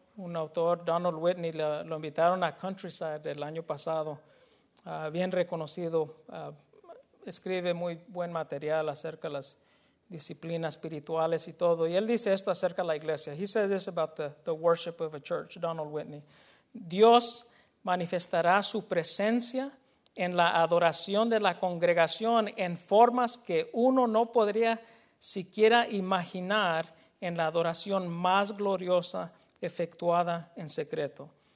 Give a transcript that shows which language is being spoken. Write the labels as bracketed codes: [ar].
[es] un autor, Donald Whitney, lo invitaron a Countryside el año pasado, bien reconocido, escribe muy buen material acerca de las disciplinas espirituales y todo. Y él dice esto acerca de la iglesia. [en] He says this about the worship of a church, Donald Whitney. [es] Dios manifestará su presencia en la adoración de la congregación en formas que uno no podría siquiera imaginar en la adoración más gloriosa efectuada en secreto.